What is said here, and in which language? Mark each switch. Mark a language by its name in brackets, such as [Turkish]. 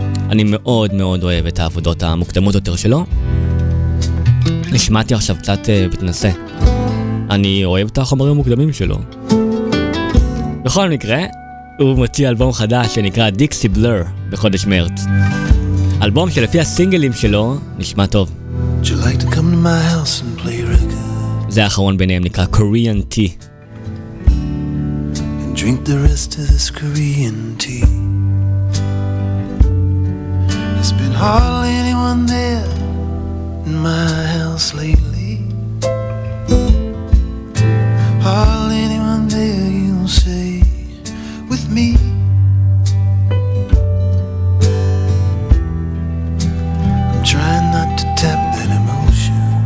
[Hebrew] אני מאוד מאוד אוהב את העבודות המוקדמות יותר שלו. נשמעתי עכשיו קצת בתנסה, אני אוהב את החומרים המוקדמים שלו. בכל מקרה, הוא מוציא אלבום חדש שנקרא דיקסי בלר בחודש מרץ. אלבום שלפי הסינגלים שלו נשמע טוב. [English] Would you like to come to my house and play record? [Hebrew] זה האחרון ביניהם, נקרא Korean Tea. [English] And drink the rest of this Korean tea. It's been hardly anyone there in my house lately. Hardly anyone there, you'll say. With me, I'm trying not to tap that emotion.